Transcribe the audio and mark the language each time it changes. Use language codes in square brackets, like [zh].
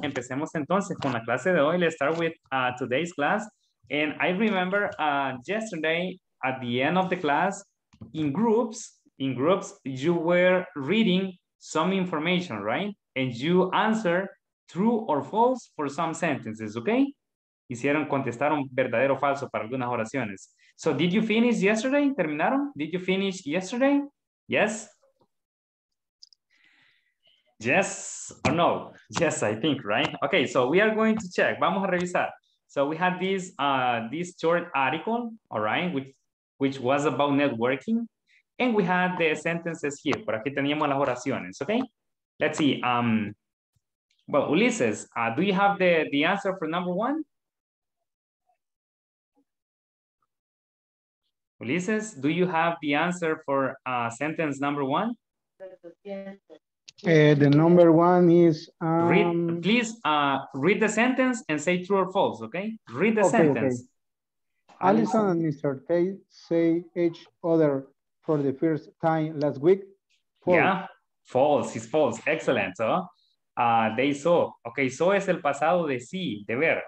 [es] Empecemos entonces con la clase de hoy. [en] Let's start with today's class. And I remember yesterday at the end of the class, in groups, you were reading some information, right? And you answer true or false for some sentences, okay? [es] Hicieron, contestaron verdadero o falso para algunas oraciones. [en] So did you finish yesterday? [es] ¿Terminaron? [en] Did you finish yesterday? Yes? Yes or no? Yes, I think, right? Okay, so we are going to check. [es] Vamos a revisar. [en] So we had this this short article, all right, which was about networking. And we had the sentences here. [es] Por aquí teníamos las oraciones, [en] okay? Let's see. Well, Ulises, do you have the answer for number one? Ulises, do you have the answer for sentence number one? The number one is... Read the sentence and say true or false, okay? Read the sentence. Okay. Allison and Mr. K say each other for the first time last week. False. Yeah, false, it's false. Excellent. So, they saw. [es] Okay, so es el pasado de sí, de ver.